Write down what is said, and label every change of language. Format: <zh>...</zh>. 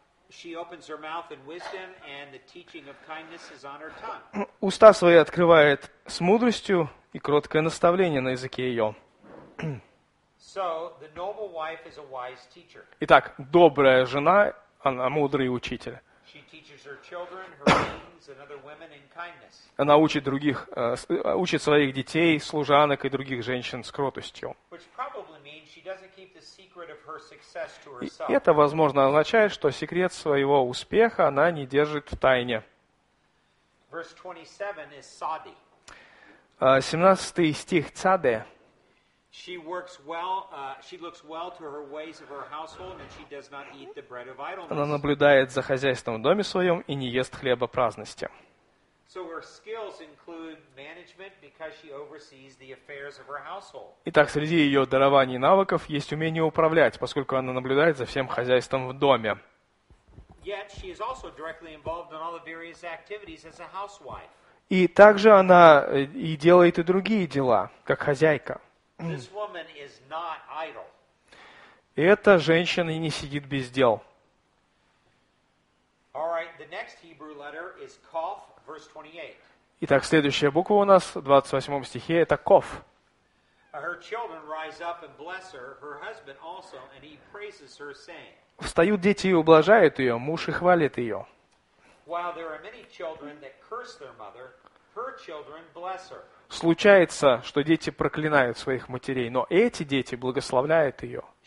<en>She opens her mouth in wisdom, and the teaching of kindness is on her tongue.</en> <ru>Уста свои открывает с мудростью, и кроткое наставление на языке ее.</ru> <en>So, the noble wife is a wise teacher.</en> <ru>Итак, добрая жена, она мудрый учитель.</ru> <en>She teaches her children, her maidens, and other women in kindness.</en> <ru>Она учит других, учит своих детей, служанок и других женщин с кротостью.</ru> <en>Which probably means she doesn't keep the secret of her success to herself.</en> <ru>Это, возможно, означает, что секрет своего успеха она не держит в тайне.</ru> <en>Verse 27 is Sadi.</en> <ru>17 стих Цаде.</ru> <en>She works well, she looks well to her ways of her household, and she does not eat the bread of idleness.</en> <ru>Она наблюдает за хозяйством в доме своем и не ест хлеба праздности.</ru> <en>So her skills include management, because she oversees the affairs of her household.</en> <ru>Итак, среди ее дарований и навыков есть умение управлять, поскольку она наблюдает за всем хозяйством в доме.</ru> <en>Yet she is also directly involved in all the various activities as a housewife.</en> <ru>И также она и делает и другие дела, как хозяйка.</ru> <en>This woman is not idle.</en> <ru>Эта женщина не сидит без дел.</ru> <en>All right, the next Hebrew letter is Kof, verse 28.</en> <ru>Итак, следующая буква у нас в 28 стихе это Kof.</ru> <en>Her children rise up and bless her, her husband also, and he praises her, saying.</en> <ru>Встают дети и ублажают ее, муж и хвалит ее.</ru> <en>While there are many children that curse their mother, her children bless her.</en> <ru>Случается, что дети проклинают своих матерей, но эти дети благословляют ее.</ru>